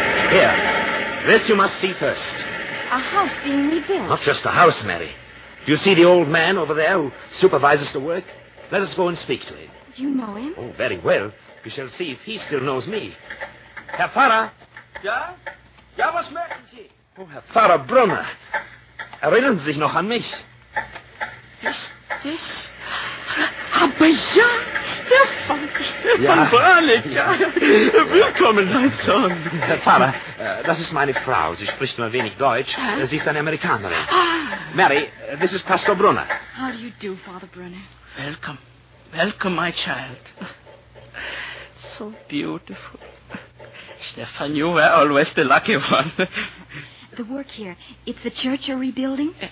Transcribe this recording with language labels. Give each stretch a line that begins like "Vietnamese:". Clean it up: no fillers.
English: Here. This you must see first. A house being rebuilt. Not just a house, Mary. Do you see the old man over there who supervises the work? Let us go and speak to him. You know him? Oh, very well. We shall see if he still knows me.
German: Herr Pfarrer? Ja? Ja, was möchten Sie? Oh, Herr Pfarrer Brunner. Erinnern Sie sich noch an mich? Ist das... Aber ja, Stefan Brannock. Ja. Willkommen, mein Sohn. Herr Pfarrer, das ist meine Frau. Sie spricht nur wenig Deutsch. Sie ist eine Amerikanerin.
English: Mary, this is Pastor Brunner. How do you do, Father Brunner? Welcome. Welcome, my child. So beautiful. Stefan, you were always the lucky one. The work here, it's the church you're rebuilding?